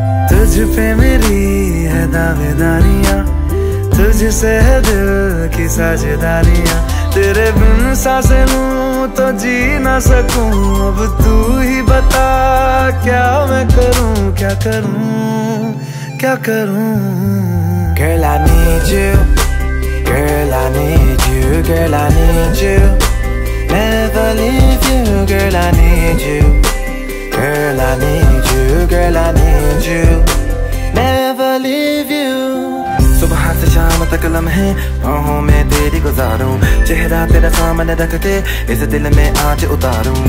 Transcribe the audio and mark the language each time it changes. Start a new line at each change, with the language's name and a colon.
Hindi: तुझपे मेरी है दावेदारियां, तुझसे है दिल की साझेदारियां। तेरे बिन सांस लूं तो जी ना सकूं, अब तू ही बता क्या मैं करूं, क्या करूं, क्या करूं।
English: Girl I need you, girl I need you, girl I need you, never leave you, girl I need you, girl I need you, girl I need you, never leave you।
Hindi: सुबह से शाम तक लम्हे बाहों में तेरी गुजारूं, चेहरा तेरा सामने रख के इस दिल में आज उतारूं।